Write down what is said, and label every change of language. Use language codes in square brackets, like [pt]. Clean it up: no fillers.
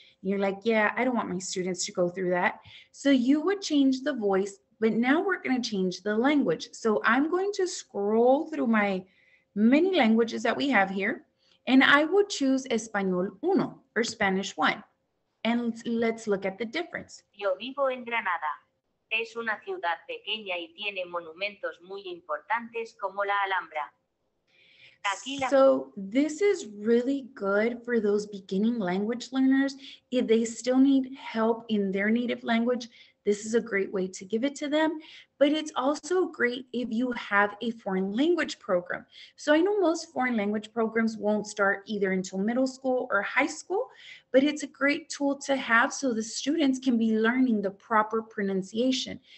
[en] You're like, yeah, I don't want my students to go through that. So you would change the voice, but now we're going to change the language. So I'm going to scroll through my many languages that we have here, and I would choose Español Uno or Spanish One. And let's look at the difference. [es] Yo vivo en Granada. Es una ciudad pequeña y tiene monumentos muy importantes como la Alhambra. [en] So this is really good for those beginning language learners. If they still need help in their native language, this is a great way to give it to them. But it's also great if you have a foreign language program. So I know most foreign language programs won't start either until middle school or high school, but it's a great tool to have so the students can be learning the proper pronunciation.